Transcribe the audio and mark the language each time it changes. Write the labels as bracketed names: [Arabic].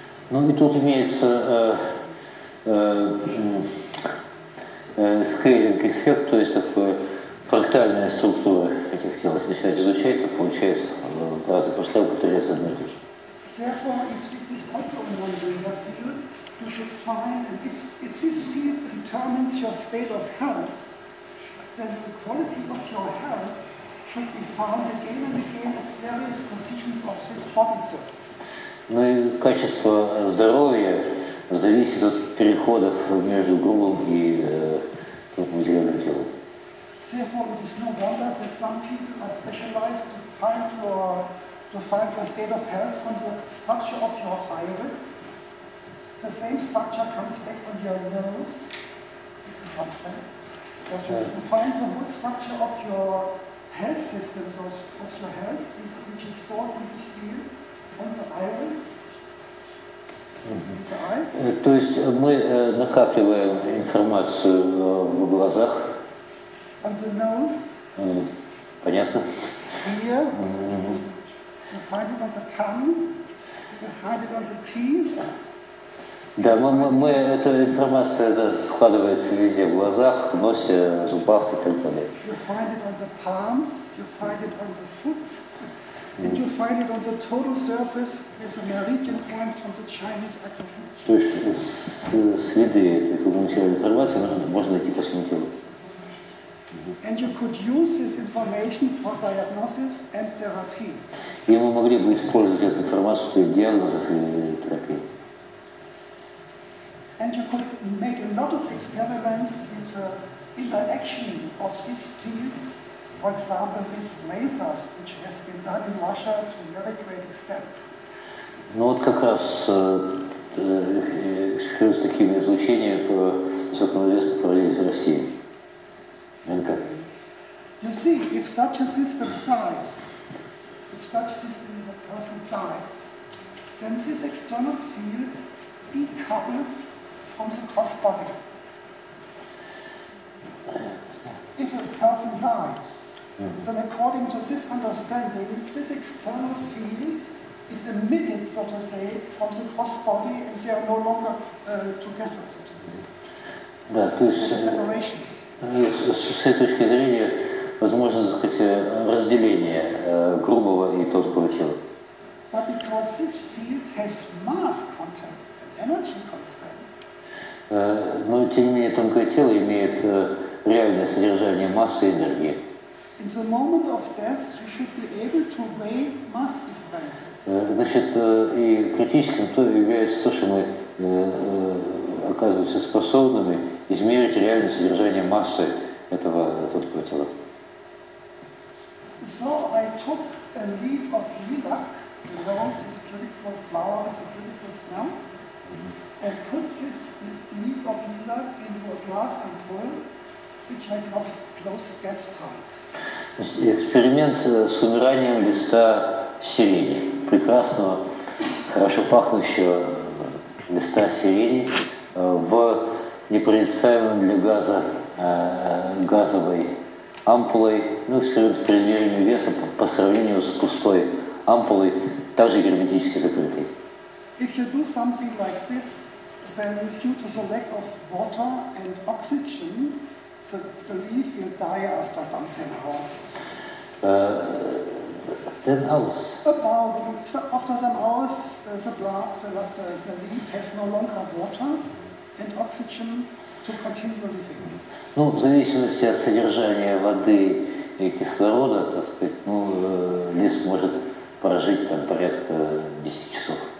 [Russian] Ну и тут имеется скейлинг-эффект, то есть такая фрактальная структура этих тел. Если начинать изучать, то получается раз и пошла, повторяется одно и то же. [English] Should be found again and again at various positions of this body surface. [Russian] Ну и качество здоровья зависит от переходов между грубым и материальным телом. [English] Therefore, it is no wonder that some people are specialized to find your state of health from the structure of your iris. The same structure comes back on your nose. You find the root structure of your health systems of your health, which is stored in this field, on the iris. [Russian] То есть мы накапливаем информацию в глазах. [English] On the nose. [Russian] Понятно. [English] Here. You find it on the tongue. You find it on the teeth. [Russian] Да, мы эта информация да, складывается везде, в глазах, в носе, в зубах и так далее. [English] You find it on the palms, you find it on the foot, and you find it on the total surface as a meridian point from the Chinese acupuncture. [Russian] То есть следы этой фундаментальной информации можно найти по всему телу. [English] And you could use this information for diagnosis and therapy. [Russian] И мы могли бы использовать эту информацию для диагнозов и терапии. [English] And you could make a lot of experiments with the interaction of these fields, for example, with lasers, which has been done in Russia to a very great extent. [Russian] Ну вот как раз с такими излучениями высокоизвестно провели из России. Ленка. [English] You see, if such a system dies, if such a system is a person dies, then this external field decouples from the cross-body. If a person dies, then according to this understanding, this external field is emitted, so to say, from the cross-body, and they are no longer together, so to say. [Russian] Да, то есть, [English] the separation. [Russian] С этой точки зрения, возможно, так сказать, разделение грубого и тонкого тела. [English] But because this field has mass content and energy constant, [Russian] но, тем не менее, тонкое тело имеет реальное содержание массы и энергии. [English] In the moment of death, you should be able to weigh mass differences. [Russian] Значит, и критическим то является то, что мы оказываемся способными измерить реальное содержание массы этого тонкого тела. [English] So I took a leaf of lilac, the rose is beautiful flower, is a beautiful smell. And put this leaf of lilac into a glass ampoule, which I closed gas tight. [Russian] Эксперимент с умиранием листа сирени, прекрасного, хорошо пахнущего листа сирени в непроницаемом для газа газовой ампулой, ну эксперимент с преизмерением веса по сравнению с пустой ампулой, также герметически закрытой. [English] If you do something like this, then due to the lack of water and oxygen, the leaf will die after some 10 hours. 10 hours. About after some hours, the leaf has no longer water and oxygen to continue living. [Russian] Ну, в зависимости от содержания воды и кислорода, так сказать, ну лист может прожить там порядка 10 часов.